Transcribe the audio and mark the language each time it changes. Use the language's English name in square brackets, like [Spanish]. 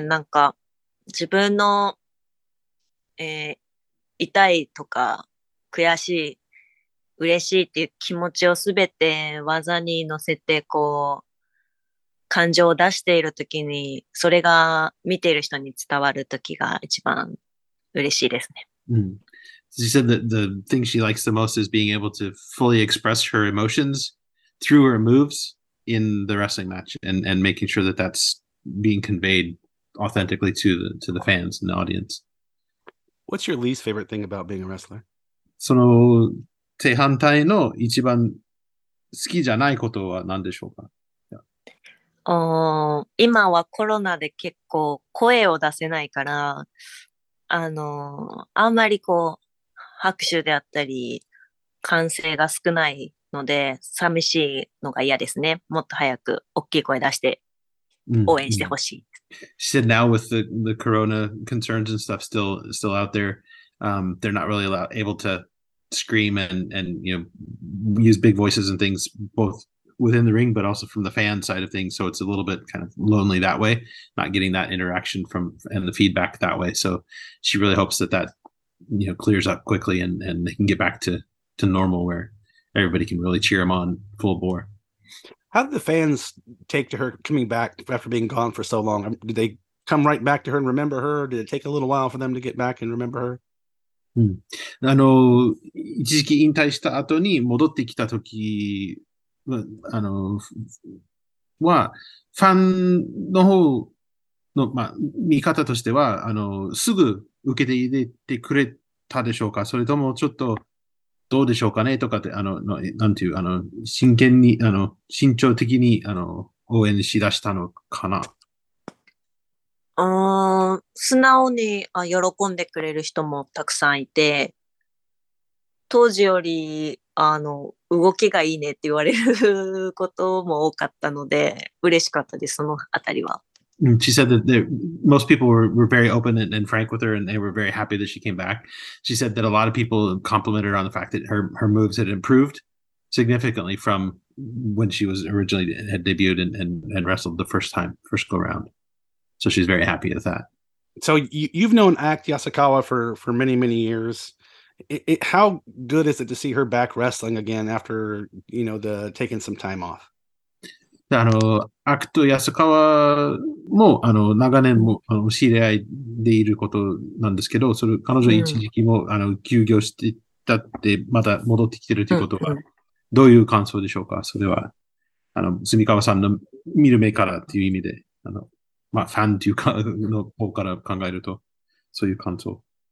[Japanese] なんか、自分の、痛いとか、悔しい、嬉しいっていう気持ちをすべて技に乗せて、こう、感情を出しているときに、それが見ている人に伝わるときが一番嬉しいですね。 [English] She said that the thing she likes the most is being able to fully express her emotions through her moves in the wrestling match and making sure that that's being conveyed authentically to the fans and the audience. What's your least favorite thing about being a wrestler? [Japanese] その正反対の一番好きじゃないことは何でしょうか？ [English] Yeah. [Japanese] 今はコロナで結構声を出せないから、あんまりこう拍手であったり歓声が少ないので寂しいのが嫌ですね。もっと早く大きい声出して応援してほしい。 Mm-hmm. [English] She said now with the corona concerns and stuff still out there, they're not really able to scream and use big voices and things both within the ring but also from the fan side of things, so it's a little bit kind of lonely that way, not getting that interaction from and the feedback that way, so she really hopes that clears up quickly and they can get back to normal where everybody can really cheer them on full bore. How did the fans take to her coming back after being gone for so long? Did they come right back to her and remember her, or did it take a little while for them to get back and remember her? [Japanese] ん、あの一時期引退した後に戻ってきた時あのはファンの方の、まあ、見方としてはあのすぐ受けて入れてくれたでしょうか、それともちょっとどうでしょうかねとかってあのなんていうあの真剣にあの慎重的にあの応援しだしたのかな。素直に喜んでくれる人もたくさんいて、当時よりあの動きがいいねって言われることも多かったので嬉しかったです、そのあたりは。 [English] She said that most people were very open and frank with her, and they were very happy that she came back. She said that a lot of people complimented her on the fact that her moves had improved significantly from when she was originally had debuted and wrestled the first time, first go round. So she's very happy with that. So you've known Act Yasukawa for many, many years. How good is it to see her back wrestling again after, you know, the taking some time off? [Japanese] あの、アクト・ヤスカワも、あの、長年も、あの、知り合いでいることなんですけど、それ、彼女一時期も、うん、あの、休業していったって、また戻ってきてるということは、どういう感想でしょうか、うん、それは、あの、住川さんの見る目からっていう意味で、あの、まあ、ファンというか、の方から考えると、そういう感想。